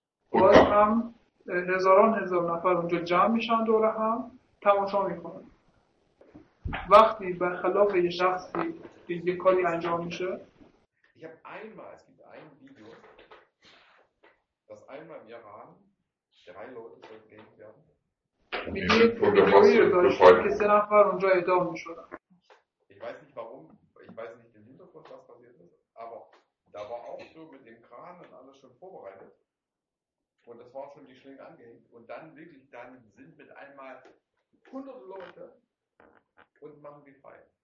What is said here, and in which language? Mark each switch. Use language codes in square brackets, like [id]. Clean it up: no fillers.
[fa] باز هم هزاران هزار نفر اونجا جمع میشن دور هم تماشا میکنن. وقتی به خلاف یه شخصی یه کاری انجام میشه، [de] ich hab einmal, es gibt ein Video, dass einmal im Iran drei Leute gegen werden. [fa] میگه پروگرامی رو داشت که سه نفر اونجا اعدام میشدن. [de] Ich weiß nicht warum, ich weiß nicht den Hintergrund, was passiert ist, aber da war auch so mit dem Kran und alles schon vorbereitet. Und das war schon die Schlinge angehängt. Und dann wirklich, dann sind mit einmal hunderte Leute und machen die frei.